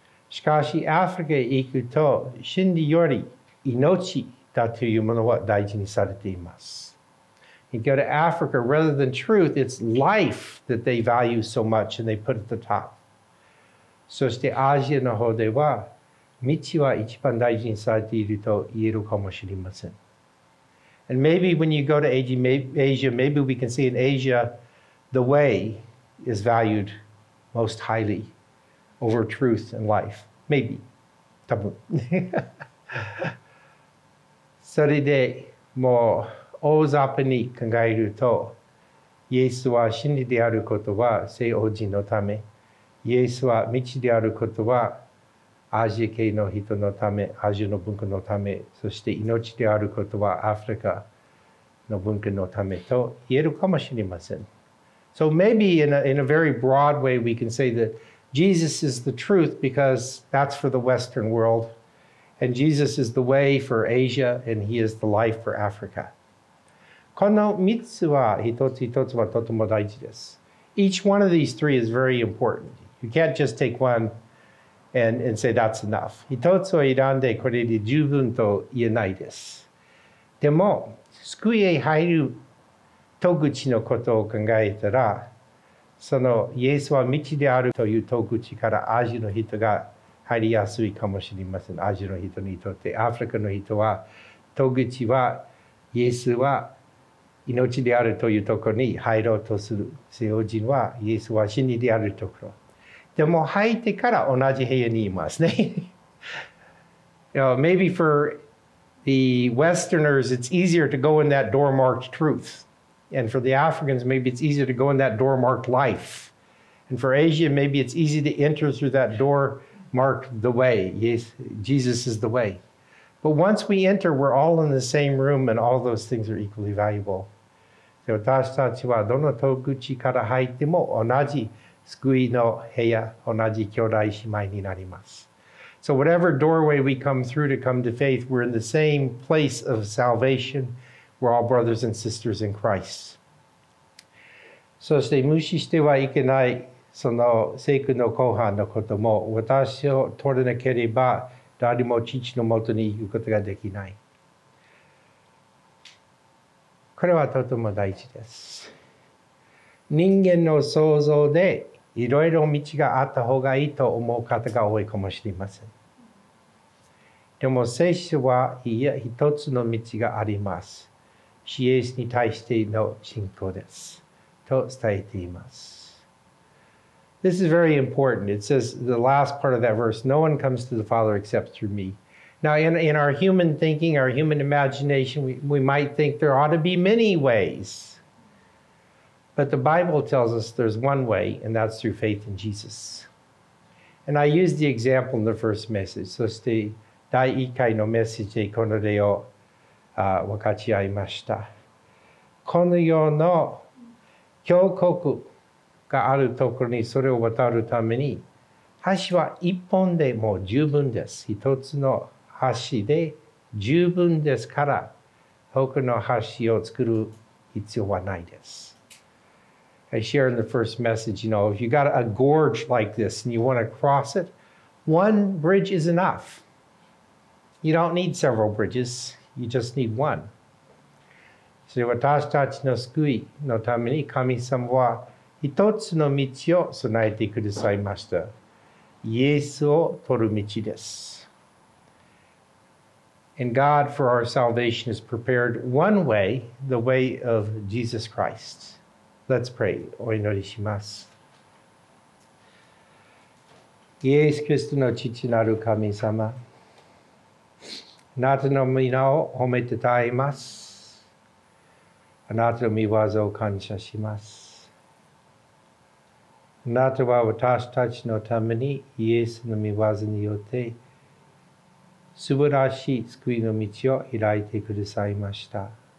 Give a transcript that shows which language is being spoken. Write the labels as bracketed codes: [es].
[ja] しかし、アフリカへ行くと、真理より命だというものは大事にされています。 [en] You go to Africa, rather than truth, it's life that they value so much and they put at the top. [ja] そして、アジアの方では、道は一番大事にされていると言えるかもしれません。 [en] And maybe when you go to Asia, maybe we can see in Asia, the way is valued most highly over truth and life. Maybe. [ja] それでもう大雑把に考えると、イエスは真理であることは西欧人のため、イエスは道であることはアジア系の人のため、アジアの文化のため、そして命であることはアフリカの文化のためと言えるかもしれません。 [en] So maybe in a very broad way we can say that Jesus is the truth because that's for the Western world, and Jesus is the way for Asia, and he is the life for Africa. [ja] この3つは一つ一つはとても大事です。 [en] Each one of these three is very important. You can't just take one and say that's enough. [ja] 一つを選んでこれで十分と言えないです。でも、救いへ入る戸口のことを考えたら、そのイエスは道であるという戸口からアジアの人が入りやすいかもしれません。アジアの人にとって、アフリカの人は戸口はイエスは命であるというところに入ろうとする。西洋人はイエスは真理であるところ。でも入ってから同じ部屋にいますね。 [en] You know, maybe for the Westerners, it's easier to go in that door marked truth. And for the Africans, maybe it's easier to go in that door marked life. And for Asia, maybe it's easy to enter through that door marked the way. Yes, Jesus is the way. But once we enter, we're all in the same room and all those things are equally valuable. [ja] で、私たちはどの戸口から入っても同じ救いの部屋、同じ兄弟姉妹になります。 [en] So whatever doorway we come through to come to faith, we're in the same place of salvation. We're all brothers and sisters in Christ. [ja] そして無視してはいけないその聖句の後半のことも、私を取れなければ誰も父のもとに行くことができない。これはとても大事です。人間の想像でいろいろ道があった方がいいと思う方が多いかもしれません。でも聖書はいや一つの道があります。イエスに対しての信仰です。と伝えています。 [en] This is very important. It says the last part of that verse, no one comes to the Father except through me. Now in our human thinking, our human imagination, we might think there ought to be many ways. But the Bible tells us there's one way, and that's through faith in Jesus. And I used the example in the first message. [ja] そして第一回のメッセージでこの例を分かち合いました。この世の教国があるところにそれを渡るために橋は一本でもう十分です。一つの橋で十分ですから他の橋を作る必要はないです。 [en] I share in the first message, you know, if you got a gorge like this and you want to cross it, one bridge is enough. You don't need several bridges. You just need one. [ja] So 私たちの救いのために神様は一つの道を備えてくださいました。イエスを取る道です。 [en] And God, for our salvation, has prepared one way, the way of Jesus Christ. Let's pray. [ja] お祈りします。イエス・キリストの父なる神様、あなたの御名を褒めてたえます。あなたの御業を感謝します。あなたは私たちのためにイエスの御業によって素晴らしい救いの道を開いてくださいました。